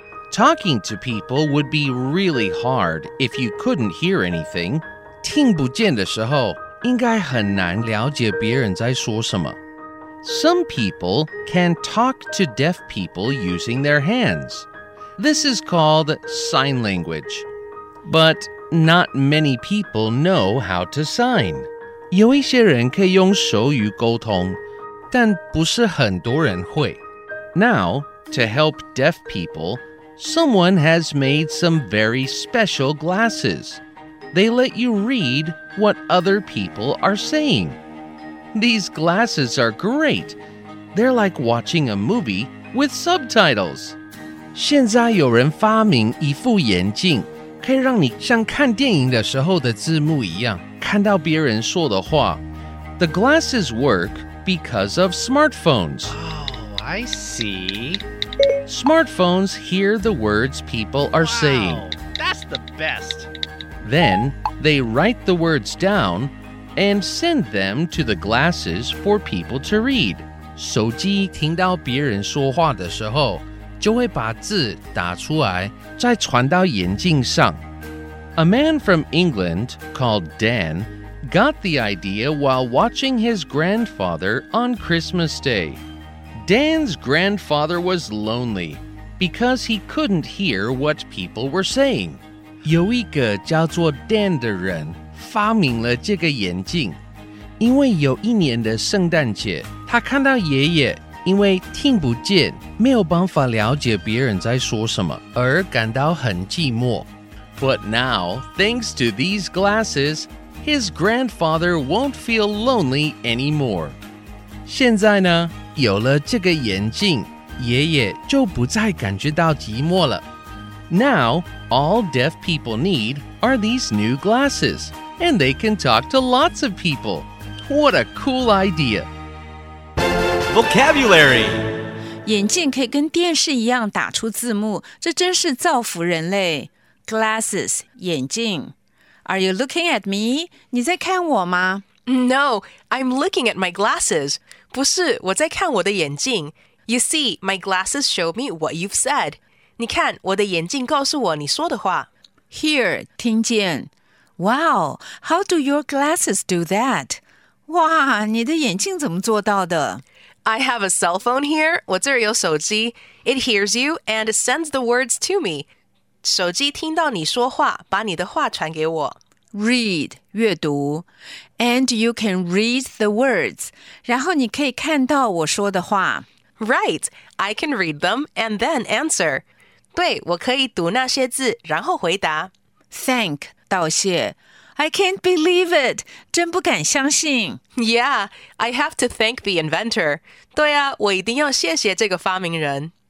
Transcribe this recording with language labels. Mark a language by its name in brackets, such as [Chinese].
[English] Talking to people would be really hard if you couldn't hear anything. [Chinese] 听不见的时候应该很难了解别人在说什么。 [English] Some people can talk to deaf people using their hands. This is called sign language. But not many people know how to sign. [Chinese] 有一些人可以用手语沟通，但不是很多人会。 [English] Now, to help deaf people, someone has made some very special glasses. They let you read what other people are saying. These glasses are great. They're like watching a movie with subtitles. [Chinese] 现在有人发明一副眼镜，可以让你像看电影的时候的字幕一样，看到别人说的话。 [English] The glasses work because of smartphones. Oh, I see. Smartphones hear the words people are saying. Wow, that's the best. Then, they write the words down and send them to the glasses for people to read. [Chinese] 手机听到别人说话的时候，就会把字打出来，再传到眼镜上。 [English] A man from England called Dan got the idea while watching his grandfather on Christmas Day. Dan's grandfather was lonely because he couldn't hear what people were saying. [Chinese] 有一个叫做 Dan 的人发明了这个眼镜，因为有一年的圣诞节，他看到爷爷因为听不见，没有办法了解别人在说什么，而感到很寂寞。 [English] But now, thanks to these glasses, his grandfather won't feel lonely anymore. [Chinese] 现在呢，有了这个眼镜，爷爷就不再感觉到寂寞了。 [English] Now, all deaf people need are these new glasses, and they can talk to lots of people. What a cool idea! Vocabulary. [Chinese] 眼镜可以跟电视一样打出字幕，这真是造福人类。 [English] Glasses, 眼镜。Are you looking at me? [Chinese] 你在看我吗？ [English] No, I'm looking at my glasses. [Chinese] 不是，我在看我的眼镜。 [English] You see, my glasses show me what you've said. [Chinese] 你看，我的眼镜告诉我你说的话。 [English] Hear, 听见。Wow, how do your glasses do that? [Chinese] 哇，你的眼镜怎么做到的？ [English] I have a cell phone here. [Chinese] 我这儿有手机。 [English] It hears you and sends the words to me. [Chinese] 手机听到你说话，把你的话传给我。 [English] Read, 阅读。And you can read the words. [Chinese] 然后你可以看到我说的话。 [English] Right, I can read them and then answer. [Chinese] 对，我可以读那些字，然后回答。 [English] Thank, 道谢。I can't believe it! [Chinese] 真不敢相信。 [English] Yeah, I have to thank the inventor. [Chinese] 对啊，我一定要谢谢这个发明人。